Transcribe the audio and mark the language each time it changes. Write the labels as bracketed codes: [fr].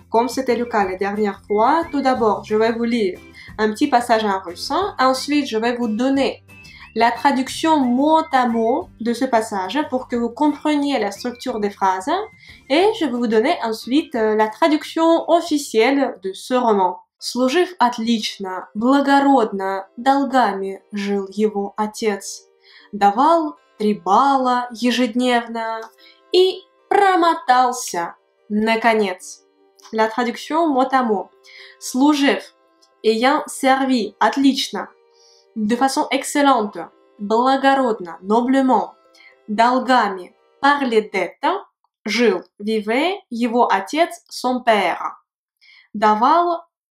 [fr] Comme c'était le cas la dernière fois, tout d'abord, je vais vous lire un petit passage en russe. Ensuite, je vais vous donner la traduction mot à mot de ce passage pour que vous compreniez la structure des phrases et je vais vous donner ensuite la traduction officielle de ce roman. [ru] Служив отлично, благородно, долгами жил его отец. Давал 3 балла ежедневно и промотался, наконец. [fr] La traduction mot à mot. [ru] Служив, [fr] ayant servi, отлично, de façon excellente, [ru] благородно, [fr] noblement, [ru] долгами, [fr] par les dettes, жил, vivait, [ru] его отец, [fr] son père, давал,